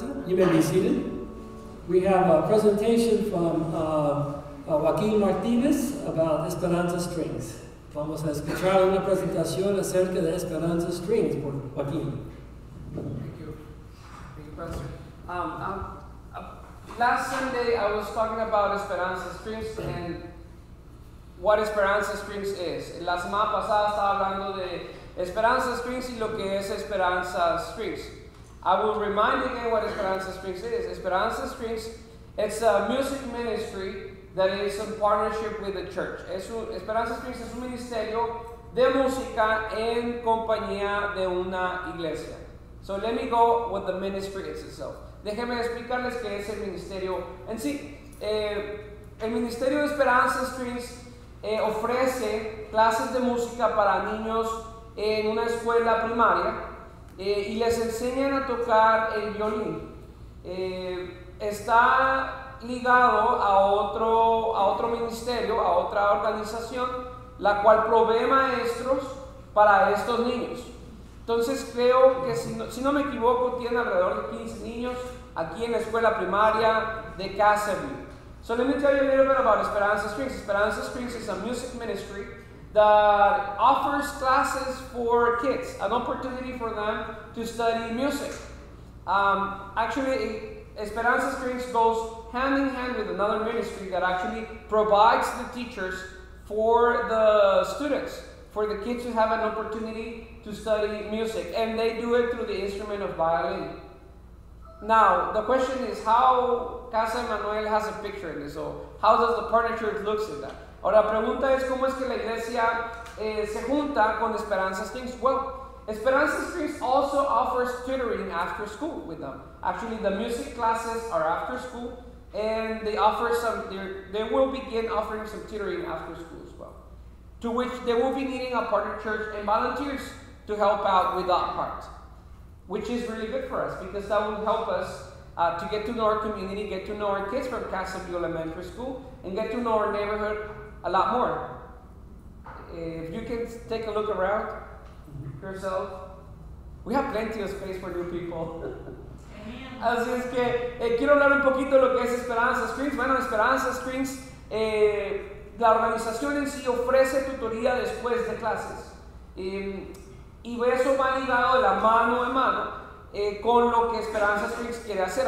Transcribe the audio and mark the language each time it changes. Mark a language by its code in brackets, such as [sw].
[en] have a presentation from Joaquin Martinez about Esperanza Strings. [es] Vamos a escuchar una presentación acerca de Esperanza Strings por Joaquin. [en] Thank you. Thank you, Pastor. Last Sunday I was talking about Esperanza Strings and what Esperanza Strings is. [es] La semana pasada estaba hablando de Esperanza Strings y lo que es Esperanza Strings. [en] I will remind you again what Esperanza Strings is. Esperanza Strings, it's a music ministry that is in partnership with the church. [es] Esperanza Strings es un ministerio de música en compañía de una iglesia. [en] So let me go with the ministry itself. [es] Déjeme explicarles qué es el ministerio en sí. El ministerio de Esperanza Strings ofrece clases de música para niños en una escuela primaria. Y les enseñan a tocar el violín. Está ligado a otro ministerio, a otra organización, la cual provee maestros para estos niños. Entonces creo que, si no me equivoco, tiene alrededor de 15 niños aquí en la escuela primaria de Castleview. [en] So let me tell you a little bit about Esperanza Strings. Esperanza Strings is a music ministry that offers classes for kids, an opportunity for them to study music. Actually, Esperanza Strings goes hand in hand with another ministry that actually provides the teachers for the students, for the kids to have an opportunity to study music, and they do it through the instrument of violin. Now, the question is how Casa Emanuel has a picture in this, or how does the partnership look in that? Ahora, la pregunta es, ¿cómo es que la iglesia se junta con Esperanza Strings? Well, Esperanza Strings also offers tutoring after school with them. Actually, the music classes are after school, and they offer some, they will begin offering some tutoring after school as well, to which they will be needing a partner church and volunteers to help out with that part, which is really good for us, because that will help us to get to know our community, get to know our kids from Casa View Elementary School, and get to know our neighborhood a lot more. If you can take a look around yourself, we have plenty of space for new people. [es] Así es que quiero hablar un poquito de lo que es Esperanza Springs. Bueno, Esperanza Springs, la organización en sí ofrece tutoría después de clases. Y eso va ligado de la mano en mano con lo que Esperanza Springs quiere hacer.